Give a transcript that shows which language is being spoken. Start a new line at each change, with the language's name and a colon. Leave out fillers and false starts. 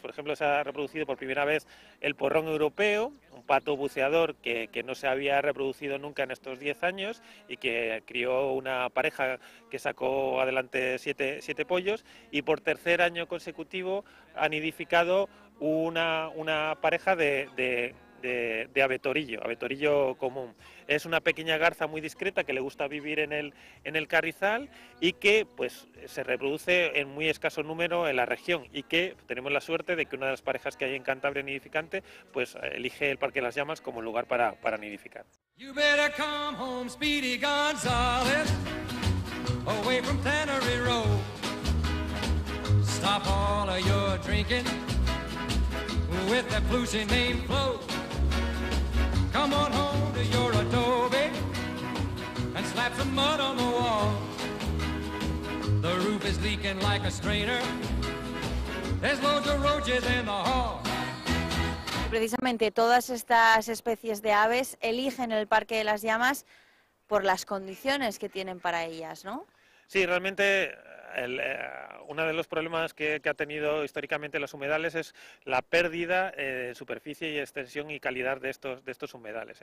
Spanish: Por ejemplo, se ha reproducido por primera vez el porrón europeo, un pato buceador que no se había reproducido nunca en estos 10 años y que crió una pareja que sacó adelante 7 pollos, y por tercer año consecutivo han nidificado una pareja de abetorillo común. Es una pequeña garza muy discreta que le gusta vivir en el carrizal y que pues se reproduce en muy escaso número en la región, y que tenemos la suerte de que una de las parejas que hay en Cantabria nidificante pues elige el Parque de las Llamas como lugar para nidificar.
English: You better come home, Speedy Gonzales, away from Tannery Row. Stop all of your drinking with that flusy name Flo. Come on home to your adobe and slap some mud on the wall. The roof is leaking like a strainer. There's loads of roaches in the hall.
Spanish: Precisamente todas estas especies de aves eligen el Parque de las Llamas por las condiciones que tienen para ellas, ¿no? Sí, realmente uno de los problemas que ha tenido históricamente los humedales es la pérdida de superficie y extensión y calidad de estos humedales.